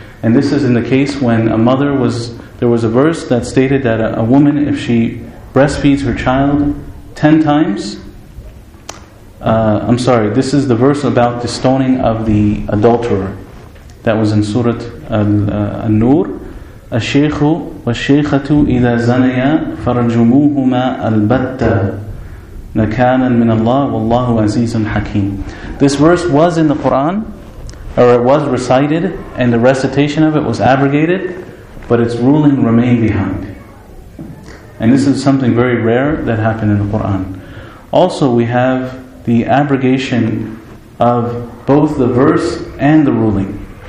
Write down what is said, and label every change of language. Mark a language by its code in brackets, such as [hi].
[en] And this is in the case when a mother was, there was a verse that stated that a woman, if she breastfeeds her child 10 times, this is the verse about the stoning of the adulterer. That was in Surah An-Nur. [ar] الشيخ والشيخة إذا زنيا فرجموهما البتة نكالا من الله والله عزيز حكيم. [en] This verse was in the Quran, or it was recited, and the recitation of it was abrogated, but its ruling remained behind. And this is something very rare that happened in the Quran. Also, we have the abrogation of both the verse and the ruling.